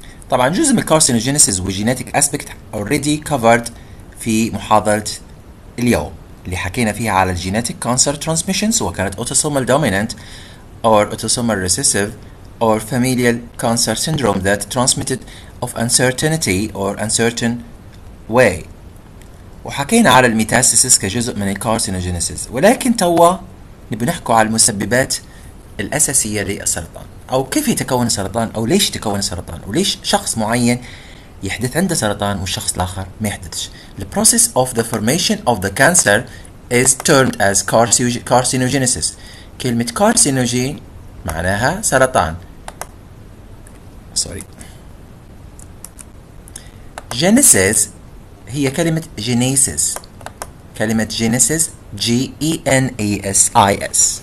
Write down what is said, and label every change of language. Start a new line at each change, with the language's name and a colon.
Arabic: طبعا جزء من الكارسينوجينيسيس وجيناتيك أسبكت already covered في محاضرة اليوم اللي حكينا فيها على الجيناتيك كانسر ترانسميشنز، وكانت أوتوسومال دومينانت
English: or autosomal recessive or familial cancer syndrome that transmitted of uncertainty or uncertain way.
Arabic: وحكينا على الميتاستاسيس كجزء من الكارسينوجينيسيس، ولكن توا نبي نحكوا على المسببات الاساسيه للسرطان، او كيف يتكون السرطان، او ليش يتكون السرطان، وليش شخص معين يحدث عنده سرطان والشخص الاخر ما يحدثش.
English: The process of the formation of the cancer is termed as carcinogenesis.
Arabic: كلمة كارسينوجين معناها سرطان.
English: Sorry. Genesis
Arabic: هي كلمة
English: genesis.
Arabic: كلمة genesis G-E-N-A-S-I-S.